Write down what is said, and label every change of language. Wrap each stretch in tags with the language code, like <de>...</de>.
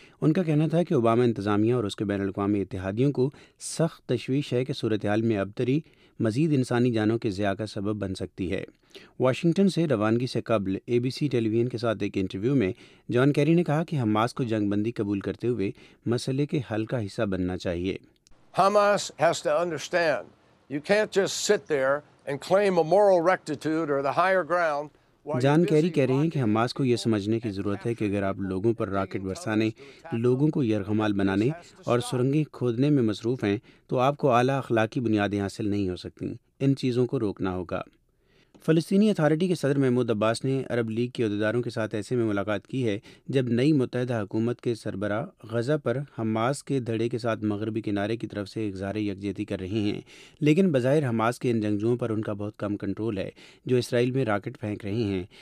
<ur>ان کا کہنا تھا کہ اوباما انتظامیہ اور اس کے بین الاقوامی اتحادیوں کو سخت تشویش ہے کہ صورتحال میں ابتری مزید انسانی جانوں کے ضیاع کا سبب بن سکتی ہے. واشنگٹن سے روانگی سے قبل اے بی سی ٹیلی ویژن کے ساتھ ایک انٹرویو میں جان کیری نے کہا کہ حماس کو جنگ بندی قبول کرتے ہوئے مسئلے کے حل کا حصہ بننا چاہیے.</ur> <en>Hamas has to understand you can't just sit there and claim a moral rectitude or the higher ground.</en> <ur>John Kerry کہہ رہے ہیں کہ حماس کو یہ سمجھنے کی ضرورت ہے کہ اگر آپ لوگوں پر راکٹ برسانے، لوگوں کو یرغمال بنانے اور سرنگیں کھودنے میں مصروف ہیں تو آپ کو اعلیٰ اخلاقی بنیادیں حاصل نہیں ہو سکتیں. ان چیزوں کو روکنا ہوگا. فلسطینی اتھارٹی کے صدر محمود عباس نے عرب لیگ کے عہدیداروں کے ساتھ ایسے میں ملاقات کی ہے جب نئی متحدہ حکومت کے سربراہ غزہ پر حماس کے دھڑے کے ساتھ مغربی کنارے کی طرف سے اظہار یکجہتی کر رہے ہیں، لیکن بظاہر حماس کے ان جنگجوؤں پر ان کا بہت کم کنٹرول ہے جو اسرائیل میں راکٹ پھینک رہے ہیں.</ur>